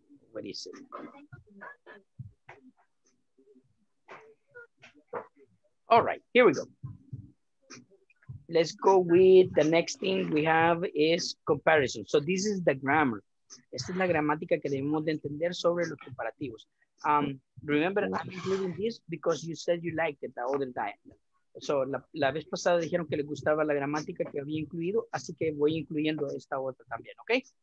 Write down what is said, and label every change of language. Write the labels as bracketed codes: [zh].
[en] What is it? All right, here we go. Let's go with the next thing we have is comparison. So this is the grammar. [es] Esta es la gramática que debemos de entender sobre los comparativos. [en] Remember, I'm including this because you said you liked it the other time. [es] So, la vez pasada dijeron que les gustaba la gramática que había incluido, así que voy incluyendo esta otra también, ¿ok?